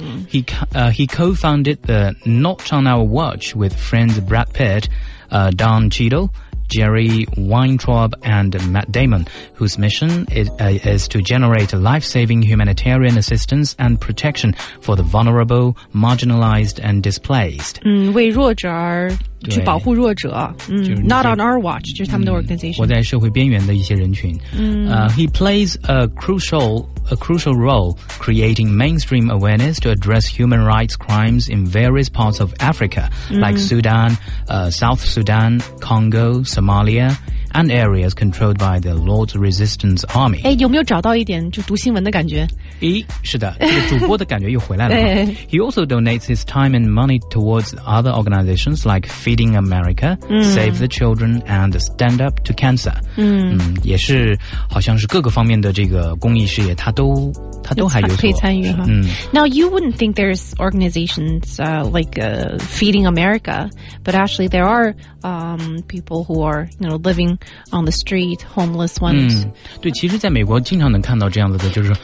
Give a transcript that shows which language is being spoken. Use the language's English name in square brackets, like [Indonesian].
[English] He co-founded the Not On Our Watch with friends Brad Pitt, Don Cheadle, Jerry Weintraub, and Matt Damon, whose mission is to generate life-saving humanitarian assistance and protection for the vulnerable, marginalized, and displaced. [Chinese] 为弱者而去保护弱者，Not on our watch， 就是他们的 organization。活在社会边缘的一些人群。 [English] He plays a crucial role creating mainstream awareness to address human rights crimes in various parts of Africa, like Sudan, South Sudan, Congo, Somalia, and areas controlled by the Lord's Resistance Army. [Chinese] 哎，有没有找到一点就读新闻的感觉？咦，是的，这个主播的感觉又回来了。 [English] He also donates his time and money towards other organizations like Feeding America, Save the Children, and Stand Up to Cancer. [Chinese] 也是好像是各个方面的这个公益事业，他都还有可以参与哈。 [English] Now you wouldn't think there's organizations like Feeding America, but actually there are people who are living on the street, homeless ones. [Chinese] 对，其实在美国经常能看到这样子的，就是